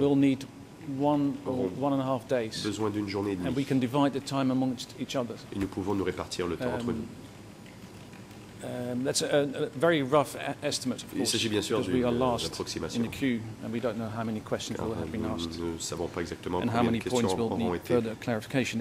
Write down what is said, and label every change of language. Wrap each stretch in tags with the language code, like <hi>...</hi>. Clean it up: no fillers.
<en>will need one or one and a half days,</en> <fr>besoin d'une journée et demie.</fr> <en>And we can divide the time amongst each other.</en> <fr>Et nous pouvons nous répartir le temps entre nous.</fr> <en>That's a very rough estimate, of course,</en> <fr>bien sûr</fr> <en>because we are last in the queue, and we don't know how many questions will have been asked,</en> <fr>ne savons pas exactement</fr> <en>and how many points will need further clarification.</en>